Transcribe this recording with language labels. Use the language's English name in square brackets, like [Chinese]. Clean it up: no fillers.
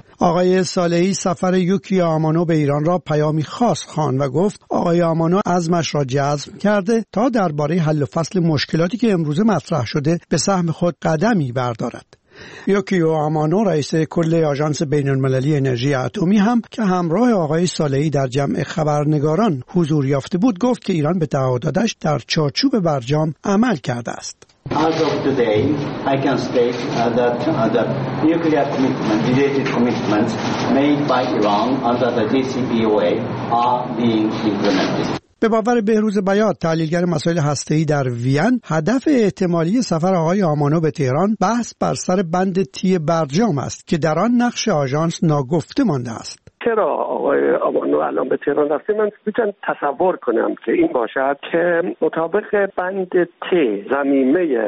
[Persian] آقای صالحی سفر یوکیو آمانو به ایران را پیامی خاص خواند و گفت آقای آمانو عزمش را جزم کرده تا درباره حل و فصل مشکلاتی که امروز مطرح شده به سهم خود قدمی بردارد. یوکیو آمانو، رئیس کل آژانس بین المللی انرژی اتمی هم که همراه آقای صالحی در جمع خبرنگاران حضور یافته بود، گفت که ایران به تعهداتش در چارچوب برجام عمل کرده است. [English] As of today, I can state that the nuclear commitment, related commitments made by Iran under the JCPOA are being implemented. [Persian] به باور بهروز بیات، تحلیلگر مسائل هسته‌ای در وین، هدف احتمالی سفر آقای آمانو به تهران بحث بر سر بند تی برجام است که در آن نقش آژانس ناگفته مانده است. چرا آقای آمانو الان به تهران رفته؟ من میتونم تصور کنم که این باشد که مطابق بند تی زمینه